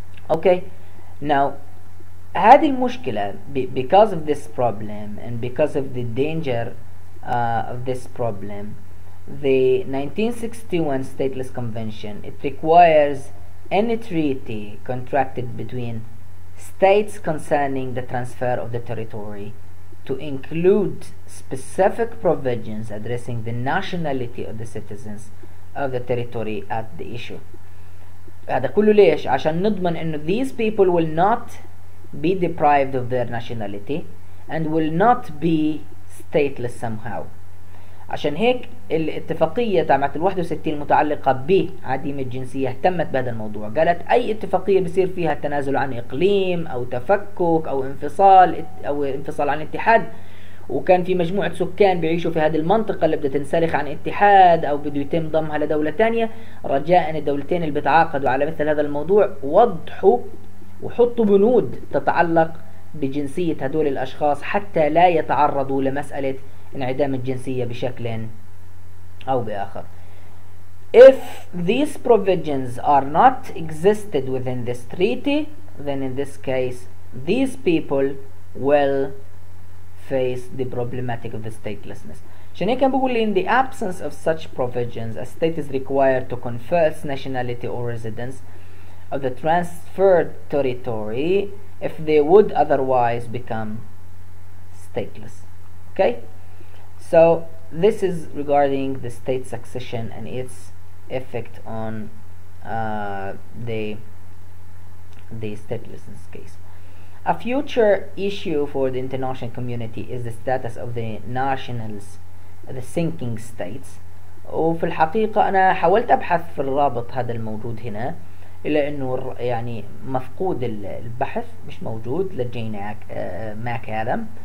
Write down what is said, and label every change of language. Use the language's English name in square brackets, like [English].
[Arabic] اوكي، ناو هذه المشكلة [English] because of this problem and because of the danger of this problem the 1961 stateless convention it requires any treaty contracted between states concerning the transfer of the territory to include specific provisions addressing the nationality of the citizens of the territory at the issue. [Arabic] هذا كله ليش؟ عشان نضمن انه [English] these people will not be deprived of their nationality and will not be stateless somehow. [Arabic] عشان هيك الاتفاقية تعمت 61 المتعلقة بعديم الجنسية اهتمت بهذا الموضوع، قالت اي اتفاقية بيصير فيها تنازل عن اقليم او تفكك او انفصال عن الاتحاد وكان في مجموعة سكان بيعيشوا في هذه المنطقة اللي بدها تنسلخ عن اتحاد أو بده يتم ضمها لدولة تانية. رجاء أن الدولتين اللي بتعاقدوا على مثل هذا الموضوع وضحوا وحطوا بنود تتعلق بجنسية هدول الأشخاص حتى لا يتعرضوا لمسألة انعدام الجنسية بشكل أو بآخر. [English] If these provisions are not existed within this treaty, then in this case, these people will face the problematic of the statelessness. [Arabic] شنو كان بقول لي, [English] in the absence of such provisions, a state is required to confer its nationality or residence of the transferred territory if they would otherwise become stateless. Okay? So this is regarding the state succession and its effect on the statelessness case. A future issue for the international community is the status of the nationals, the sinking states. [Arabic] وفي الحقيقة أنا حاولت أبحث في الرابط هذا الموجود هنا إلا أنه يعني مفقود البحث, مش موجود لجين ماك آدم.